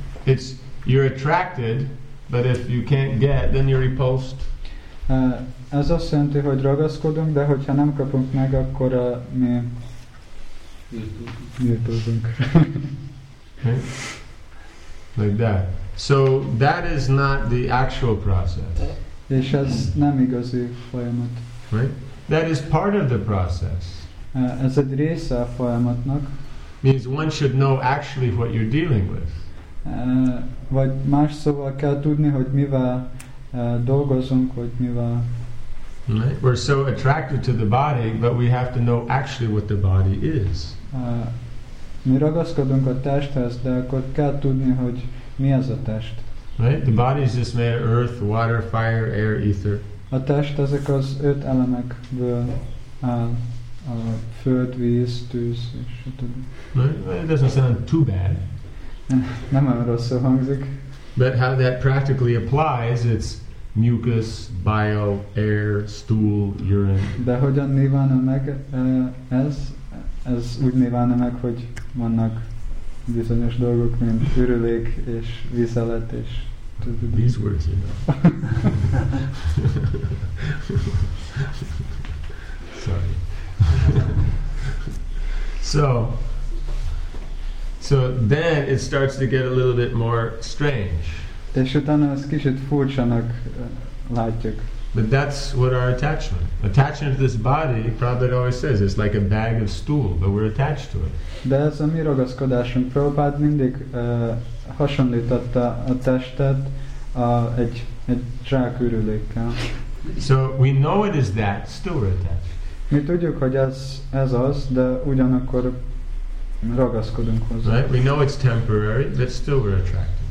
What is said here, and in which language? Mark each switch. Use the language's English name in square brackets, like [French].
[English] It's, you're attracted, but if you can't get, then you're repulsed. [Hungarian] Ez azt jelenti, hogy ragaszkodunk, de hogyha nem kapunk meg, akkor mi nyírtozunk. [English] Okay. Like that. So that is not the actual process. [Hungarian] És ez nem igazi folyamat. [English] Right? That is part of the process. [Hungarian] Ez egy része a folyamatnak. [English] Means one should know actually what you're dealing with. [Hungarian] Vagy más szóval kell tudni, hogy mivel dolgozunk, hogy mivel. [English] Right? We're so attracted to the body, but we have to know actually what the body is. [Hungarian] Mi ragaszkodunk a testhez, de akkor kell tudni, hogy mi ez a test. [English] Right? The body is just made of earth, water, fire, air, ether. [Hungarian] A test ezek az öt elemekből áll. A föld, víz, tűz, és a többi. [English] Right? It doesn't sound too bad. [Hungarian] Nem olyan rosszul hangzik. [English] But how that practically applies, it's mucus, bile, air, stool, urine. [Hungarian] De hogyan nyilvánul meg ez? Ez úgy nyilvánul meg, hogy vannak bizonyos dolgok, mint ürülék és vizelet és tudod. [English] These words, you know. Sorry. So then it starts to get a little bit more strange. [Hungarian] És utána ezt kicsit furcsának látjuk. [English] But that's what our attachment. Attachment to this body, Prabhupada always says, it's like a bag of stool, but we're attached to it. [Hungarian] De ez a mi ragaszkodásunk. Prabhupada mindig hasonlította a testet egy zsákürülékkel. [English] So we know it is that, still we're attached. [Hungarian] Mi tudjuk, hogy ez az, de ugyanakkor ragaszkodunk hozzá. [English] Right? We know it's temporary, but still we're attracted.